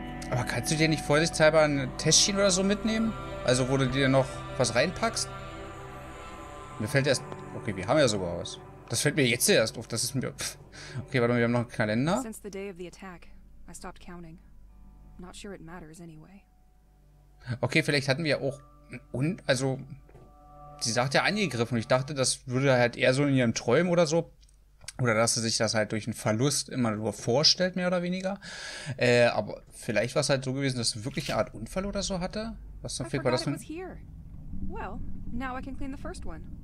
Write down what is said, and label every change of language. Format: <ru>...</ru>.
<de>Aber kannst du dir nicht vorsichtshalber ein Täschchen oder so mitnehmen? Also, wo du dir noch was reinpackst? Mir fällt erst. Okay, wir haben ja sogar was. Das fällt mir jetzt erst auf. Das ist mir. Pff. Okay, warte mal, wir haben noch einen Kalender.</de> <en>Since the day of the attack, I stopped counting. Not sure it matters anyway.</en> <de>Okay, vielleicht hatten wir auch... Und, also... Sie sagt ja angegriffen. Und ich dachte, das würde halt eher so in ihren Träumen oder so. Oder dass sie sich das halt durch einen Verlust immer nur vorstellt, mehr oder weniger. Aber vielleicht war es halt so gewesen, dass sie wirklich eine Art Unfall oder so hatte. Was dann fehlt bei das...</de> <en>Well, now I can clean the first one.</en>